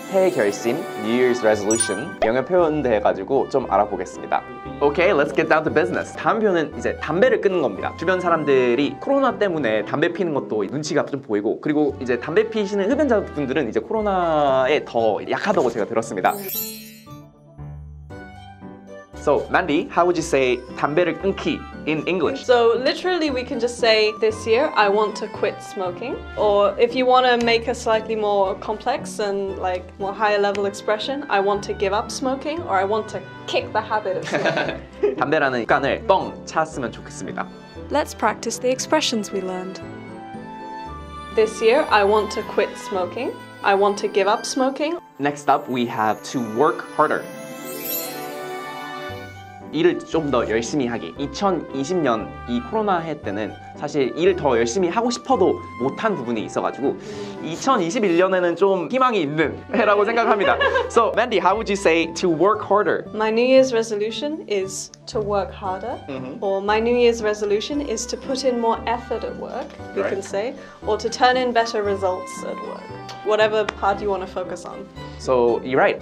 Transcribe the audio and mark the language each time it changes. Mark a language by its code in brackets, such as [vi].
[ko] 새해 결심, [en] New Year's Resolution, [ko] 영어 표현 대해가지고 좀 알아보겠습니다. [en] Okay, let's get down to business. [ko] 다음 표현은 이제 담배를 끊는 겁니다. 주변 사람들이 코로나 때문에 담배 피는 것도 눈치가 좀 보이고, 그리고 이제 담배 피시는 흡연자분들은 이제 코로나에 더 약하다고 제가 들었습니다. [en] So, Mandy, how would you say [ko] 담배를 끊기 [en] in English? So, literally, we can just say, this year, I want to quit smoking. Or if you want to make a slightly more complex and like more higher level expression, I want to give up smoking, or I want to kick the habit of smoking. [ko] 담배라는 습관을 뻥 찼으면 좋겠습니다. [en] Let's practice the expressions we learned. This year, I want to quit smoking. I want to give up smoking. Next up, we have to work harder. [ko] 일을 좀 더 열심히 하기. 2020년 이 코로나 해 때는 사실 일을 더 열심히 하고 싶어도 못한 부분이 있어가지고 2021년에는 좀 희망이 있는 해라고 생각합니다. [en] So, Mandy, how would you say to work harder? My New Year's resolution is to work harder. Mm-hmm. Or my New Year's resolution is to put in more effort at work, you right. can say. Or to turn in better results at work. Whatever part you want to focus on. So, you're right.